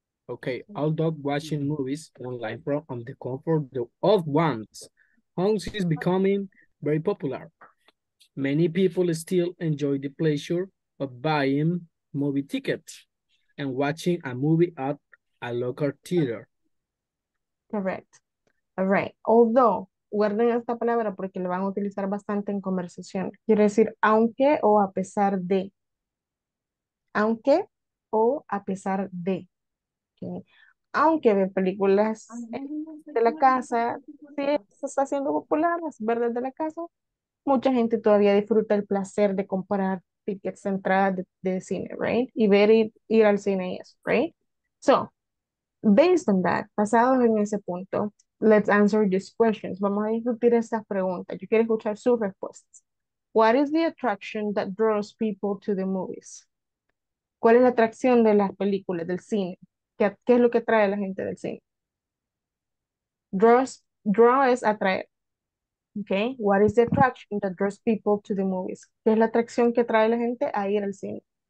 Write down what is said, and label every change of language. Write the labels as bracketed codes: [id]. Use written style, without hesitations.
[en] Okay, although watching movies online from on the comfort of one's home is becoming very popular. Many people still enjoy the pleasure of buying movie tickets and watching a movie at a local theater. Correct. All right. [es] Although, guarden esta palabra porque la van a utilizar bastante en conversación. Quiere decir aunque o a pesar de. Aunque o a pesar de. Okay. Aunque ve películas de la casa, si se está haciendo popular, las verdes de la casa, mucha gente todavía disfruta el placer de comprar tickets de entrada de cine, right? Y ver ir al cine y eso, right? [en] So, based on that, [es] basados en ese punto, [en] let's answer these questions. [es] Vamos a discutir estas preguntas. Yo quiero escuchar sus respuestas. [en] What is the attraction that draws people to the movies? [es] ¿Cuál es la atracción de las películas, del cine? ¿Qué es lo que trae a la gente del cine? Draw es atraer. Okay. [en] What is the attraction that draws people to the movies? [es] ¿Qué es la atracción que trae a la gente a ir al cine?